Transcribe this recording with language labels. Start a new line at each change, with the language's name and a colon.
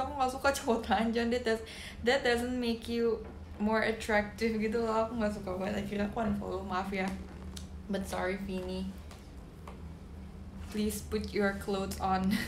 Indonesian: Aku gak suka cowok telanjang,
English: that doesn't make you more attractive
Indonesian: gitu loh. Aku gak suka banget, akhirnya aku unfollow, maaf ya.
English: But sorry Vini, please put your clothes on.